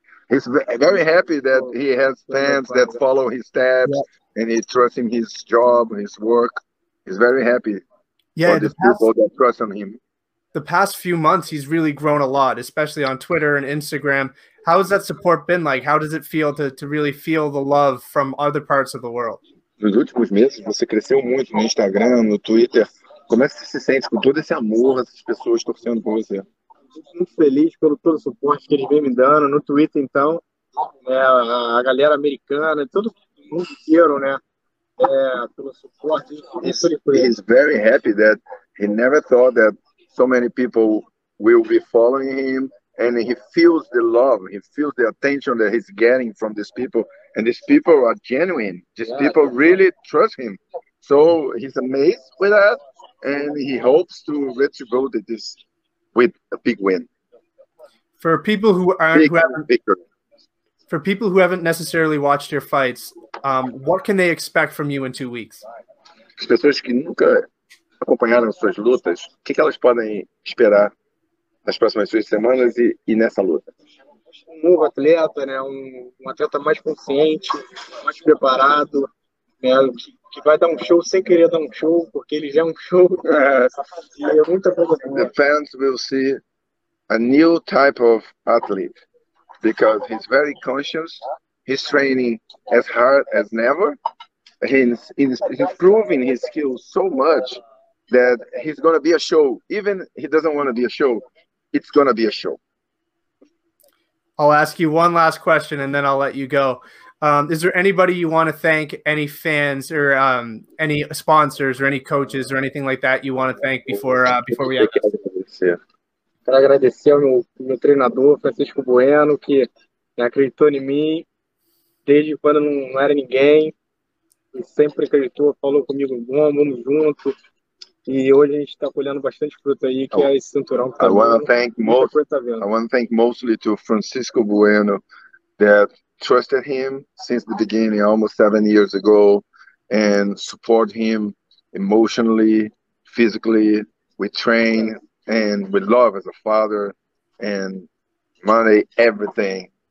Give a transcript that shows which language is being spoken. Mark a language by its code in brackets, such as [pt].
[en] He's very happy that he has fans that follow his steps, yeah, and he trusts him, his job, his work. He's very happy people that trust on him. The past few months, he's really grown a lot, especially on Twitter and Instagram. How has that support been like? How does it feel to really feel the love from other parts of the world? [pt] Nos últimos meses, você cresceu muito no Instagram, no Twitter. Como é que você se sente com todo esse amor, essas pessoas torcendo por você? Estou muito feliz pelo todo o suporte que eles vêm me dando. No Twitter, então, a galera americana, todo mundo inteiro, né? Pelo suporte. [en] He's very happy that he never thought that so many people will be following him, and he feels the love, he feels the attention that he's getting from these people, and these people are genuine. Really trust him. So he's amazed with that, and he hopes to retribute this with a big win. For people who haven't necessarily watched your fights, what can they expect from you in 2 weeks? [pt] As pessoas que nunca acompanharam suas lutas, o que elas podem esperar nas próximas 2 semanas e nessa luta? Um novo atleta, né? Um atleta mais consciente, mais preparado, né? Que vai dar um show sem querer dar um show, porque ele já é um show. É muita coisa. [en] The fans will see a new type of athlete, because he's very conscious, he's training as hard as never, he's improving his skills so much that he's going to be a show. Even he doesn't want to be a show, it's going to be a show. I'll ask you one last question and then I'll let you go. Is there anybody you want to thank, any fans or any sponsors or any coaches or anything like that you want to thank before we end? [pt] Quero agradecer ao meu treinador, Francisco Bueno, que acreditou em mim desde quando não era ninguém. E sempre acreditou, falou comigo, vamos junto. E hoje a gente está colhendo bastante fruto aí, que é esse cinturão que está vendo. [en] I want to thank mostly to Francisco Bueno that trusted him since the beginning, almost 7 years ago, and support him emotionally, physically. We train and we love as a father and money, everything.